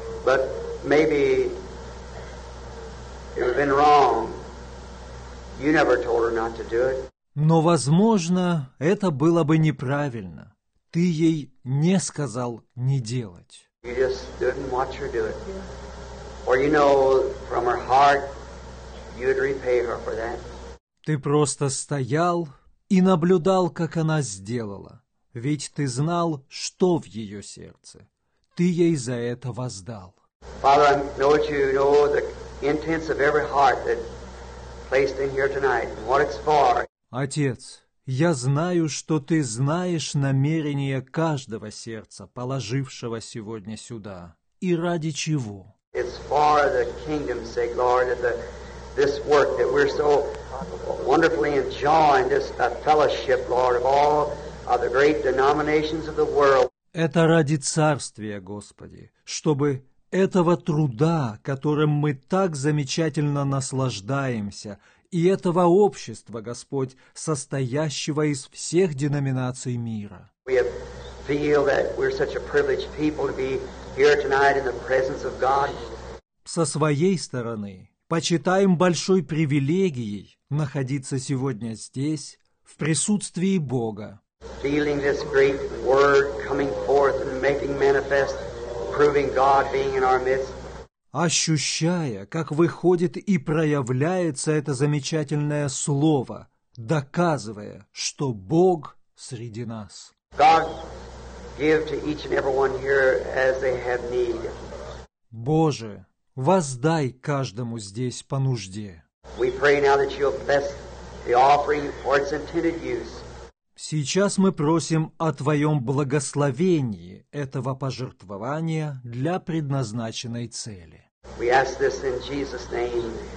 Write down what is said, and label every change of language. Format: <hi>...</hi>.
<en>But maybe you've been wrong. You never told her not to do it.</en> <ru>Но, возможно, это было бы неправильно. Ты ей не сказал не делать.</ru> <en>You just didn't watch her do it. Or you know from her heart you'd repay her for that.</en> <ru>Ты просто стоял и наблюдал, как она сделала. Ведь ты знал, что в ее сердце. Ты ей за это воздал.</ru> <en>Father, I know that you know the intents of every heart that placed in here tonight and what it's for.</en> <ru>Отец, я знаю, что ты знаешь намерения каждого сердца, положившего сегодня сюда, и ради чего.</ru> <en>It's for the kingdom's sake, Lord, that this work that we're so wonderfully enjoying, this fellowship, Lord, of all of the great denominations of the world.</en> <ru>Это ради царствия, Господи, чтобы этого труда, которым мы так замечательно наслаждаемся, и этого общества, Господь, состоящего из всех деноминаций мира.</ru> <en>We feel that we're such a privileged people to be here tonight in the presence of God.</en> <ru>Со своей стороны, почитаем большой привилегией находиться сегодня здесь, в присутствии Бога.</ru> <en>Feeling this great word coming forth and making manifest, proving God being in our midst.</en> <ru>Ощущая, как выходит и проявляется это замечательное слово, доказывая, что Бог среди нас.</ru> <en>God, give to each and everyone here as they have need.</en> <ru>Боже, воздай каждому здесь по нужде.</ru> <en>We pray now that you'll bless the offering for its intended use.</en> <ru>Сейчас мы просим о Твоем благословении этого пожертвования для предназначенной цели.</ru> <en>We ask this in Jesus' name.</en>